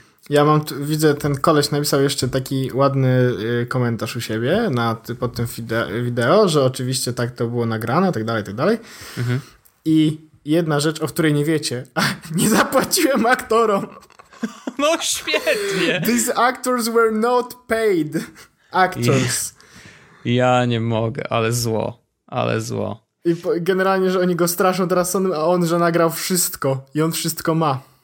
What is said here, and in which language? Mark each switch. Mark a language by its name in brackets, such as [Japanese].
[Polish] Ja mam, widzę, ten koleś napisał jeszcze taki ładny komentarz u siebie pod tym wideo, że oczywiście tak to było nagrane, tak dalej, tak dalej. Mhm. I jedna rzecz, o której nie wiecie, nie zapłaciłem aktorom. No świetnie! [English] These actors were not paid actors. [Polish] Ja nie mogę, ale zło, ale zło. I generalnie, że oni go straszą teraz sądem, a on, że nagrał wszystko i on wszystko ma.